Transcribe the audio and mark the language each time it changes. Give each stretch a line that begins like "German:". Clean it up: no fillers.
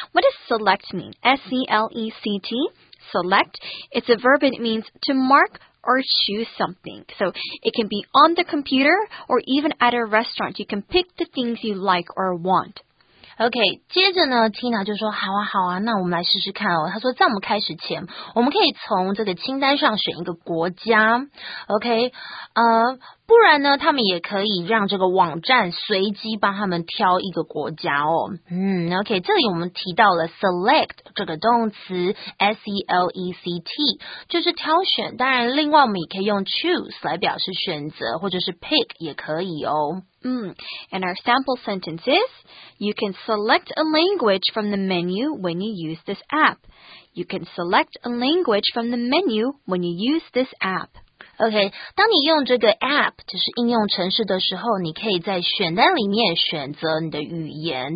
English: What does select mean? S-E-L-E-C-T, select. It's a verb and it means to mark or choose something. So it can be on the computer or even at a restaurant. You can pick the things you like or want.
Chinese: OK, 接着呢 ,Tina 就说好啊好啊那我们来试试看哦。她说在我们开始前我们可以从这个清单上选一个国家。 OK, 不然呢他们也可以让这个网站随机帮他们挑一个国家哦。 OK, 这里我们提到了 select 这个动词 ,S-E-L-E-C-T, 就是挑选当然另外我们也可以用 choose 来表示选择或者是 pick 也可以哦。
English: And our sample sentence is, you can select a language from the menu when you use this app. You can select a language from the menu when you use this app.
Chinese: OK, 当你用这个 app, 就是应用程式的时候,你可以在选单里面选择你的语言。